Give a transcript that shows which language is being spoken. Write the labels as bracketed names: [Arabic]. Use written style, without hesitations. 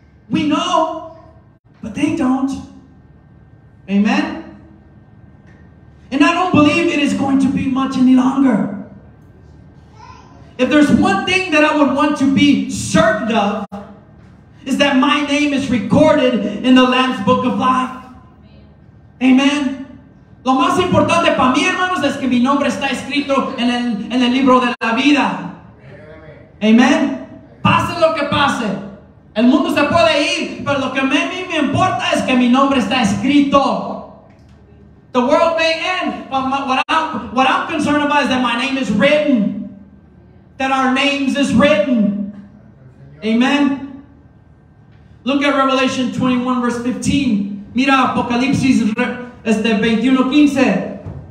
[English] We know, but they don't. Amen? And I don't believe it is going to be much any longer. If there's one thing that I would want to be certain of, is that my name is recorded in the Lamb's Book of Life. Amen. [Spanish] Lo más importante para mí, hermanos, es que mi nombre está escrito en el libro de la vida. Amen. Pase lo que pase. El mundo se puede ir, pero lo que a mí me importa es que mi nombre está escrito. [English] The world may end, but what I'm concerned about is that my name is written. That our names is written. Amen. Look at Revelation 21, verse 15. [Spanish] Mira Apocalipsis 21:15.